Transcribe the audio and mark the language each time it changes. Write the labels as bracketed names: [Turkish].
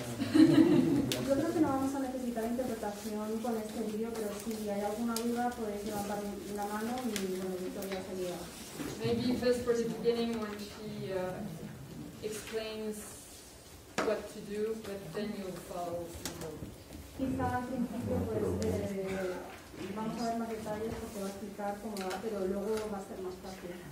[Spanish] Yo creo que no vamos a necesitar interpretación con este video, pero si hay alguna duda, podéis levantar la mano y bueno, Victoria sería. [English] Maybe just for the beginning when she explains what to do, but then you'll follow. [Spanish] Quizá al principio pues vamos a ver más detalles porque va a explicar cómo va, pero luego va a ser más fácil.